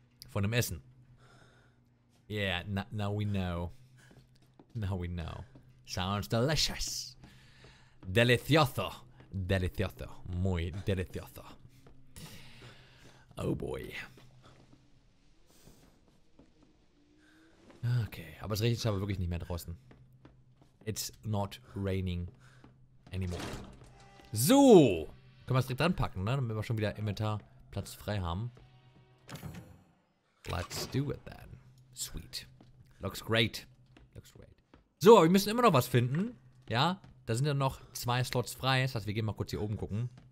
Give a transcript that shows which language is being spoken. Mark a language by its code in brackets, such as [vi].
[de] Von dem Essen. [en] Yeah, now we know. Now we know. Sounds delicious. [es] Delicioso. Delicioso. Muy delicioso. [en] Oh boy. [de] Okay, aber es regnet aber wirklich nicht mehr draußen. [en] It's not raining anymore. [de] So. Können wir es direkt dran packen, ne? Damit wir schon wieder Inventar Platz frei haben. [en] Let's do it then. Sweet. Looks great. Looks great. [de] So, wir müssen immer noch was finden. Ja, da sind ja noch zwei Slots frei. Das heißt, wir gehen mal kurz hier oben gucken.